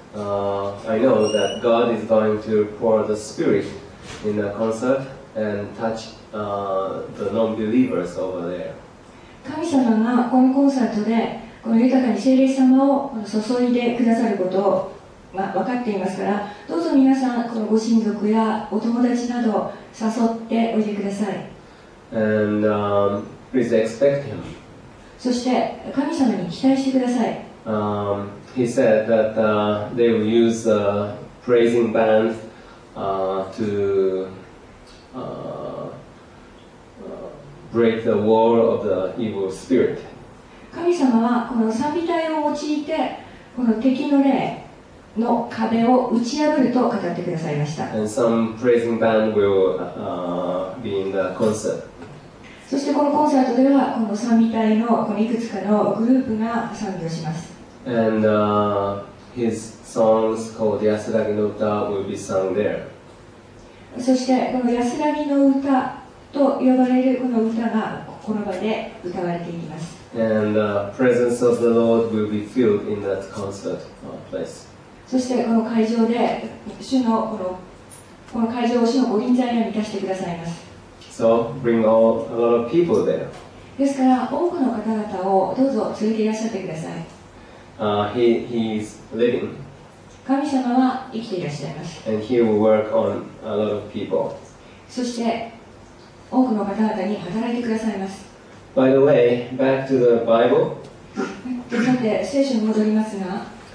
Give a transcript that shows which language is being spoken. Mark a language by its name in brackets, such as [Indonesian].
[English] I know that God is going to pour the Spirit in the concert and touch the non-believers over there. [Japanese] 神様がこのコンサートでこの豊かに聖霊様を注いでくださることを。まあ、分かっていますから、どうぞ皆さん、このご親族やお友達など誘っておいてください。 [English] And, please expect him. [Japanese] そして、神様に期待してください。 [English] He said that they will use a praising band to break the wall of the evil spirit. [Japanese] 神様はこの賛美隊を用いて、この敵の霊の壁を打ち破ると語ってくださいました。 [English] And some praising band will, be in the concert. [Japanese] そしてこのコンサートではこの賛美隊のいくつかのグループが賛美をします。 [English] And, his songs called 安らぎの歌 will be sung there. [Japanese] そしてこの安らぎの歌と呼ばれるこの歌がこの場で歌われていきます。 [English] And, presence of the Lord will be filled in that concert place. [Japanese] そしてこの会場で主のこの会場を主のご臨在に満たしてくださいます。 [English] So bring all, a lot of people there. [Japanese] ですから多くの方々をどうぞ連れていらっしゃってください。 [English] he is living. [Japanese] 神様は生きていらっしゃいます。 [English] And he will work on a lot of people. [Japanese] そして多くの方々に働いてくださいます。 [English] By the way, back to the Bible. [Japanese] さて聖書に戻りますが、